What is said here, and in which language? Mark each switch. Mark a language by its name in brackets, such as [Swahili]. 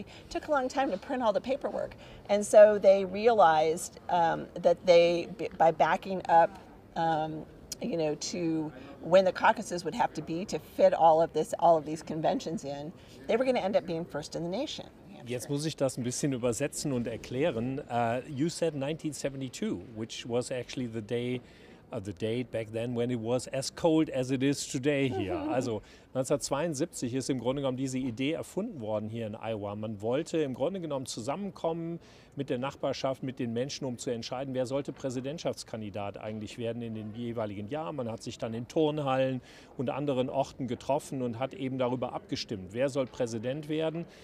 [English] It took a long time to print all the paperwork. And so they realized that they, by backing up, you know, to when the caucuses would have to be to fit all of this, all of these conventions in, they were going to end up being first in the nation. [German] Jetzt muss ich das ein bisschen übersetzen und erklären. [English] You said 1972, which was actually the day, the date back then when it was as cold as it is today here. [German] Also 1972 ist im Grunde genommen diese Idee erfunden worden hier in Iowa. Man wollte im Grunde genommen zusammenkommen mit der Nachbarschaft, mit den Menschen, um zu entscheiden, wer sollte Präsidentschaftskandidat eigentlich werden in den jeweiligen Jahren. Man hat sich dann in Turnhallen und anderen Orten getroffen und hat eben darüber abgestimmt, wer soll Präsident werden.